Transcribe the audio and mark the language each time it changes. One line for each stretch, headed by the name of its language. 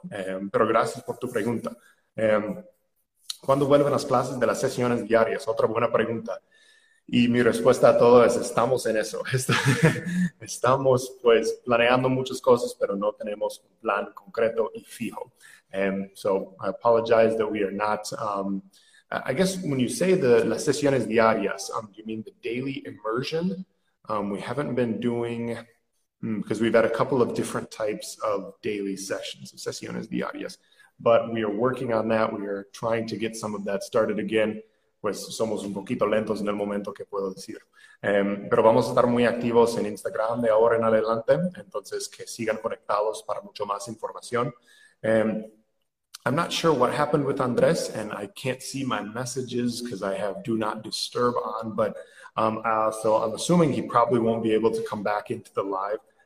Spanish: Pero gracias por tu pregunta. ¿Cuándo vuelven las clases de las sesiones diarias? Otra buena pregunta. Y mi respuesta a todo es, estamos en eso. Estamos pues planeando muchas cosas, pero no tenemos un plan concreto y fijo.
English: So I apologize that we are not, I guess when you say
Spanish: las sesiones diarias,
English: do you mean the daily immersion? We haven't been doing, because we've had a couple of different types of daily sessions,
Spanish: sesiones diarias,
English: but we are working on that. We are trying to get some of that started again.
Spanish: Pues somos un poquito lentos en el momento que puedo decir. Pero vamos a estar muy activos en Instagram de ahora en adelante. Entonces, que sigan conectados para mucho más información.
English: I'm not sure what happened with Andres, and I can't see my messages because I have do not disturb on. But so I'm assuming he probably won't be able to come back into the live.